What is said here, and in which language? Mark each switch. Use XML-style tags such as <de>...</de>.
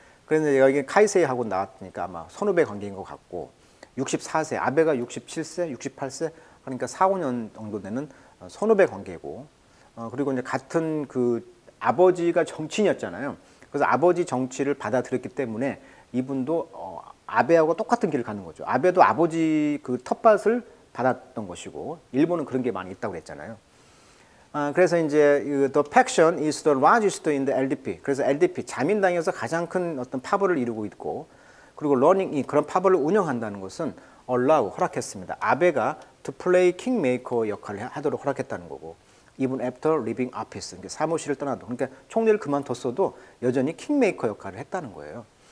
<ko>그런데 여기 카이세이 학원 나왔으니까 아마 선후배 관계인 것 같고, 64세, 아베가 67세, 68세 하니까 4~5년 정도 되는 선후배 관계고, 그리고 이제 같은 그 아버지가 정치인이었잖아요. 그래서 아버지 정치를 받아들였기 때문에 이분도 아베하고 똑같은 길을 가는 거죠. 아베도 아버지 그 텃밭을 받았던 것이고, 일본은 그런 게 많이 있다고 그랬잖아요. 그래서 이제</ko> <en>the faction is the largest in the LDP.</en> <ko>그래서 LDP, 자민당에서 가장 큰 어떤 파벌을 이루고 있고, 그리고 러닝이 그런 파벌을 운영한다는 것은 allow, 허락했습니다. 아베가</ko> <en>to play kingmaker</en> <ko>역할을 하도록 허락했다는 거고,</ko> <en>even after leaving office,</en> <ko>그러니까 사무실을 떠나도, 그러니까 총리를 그만뒀어도 여전히 킹메이커 역할을 했다는 거예요.</ko>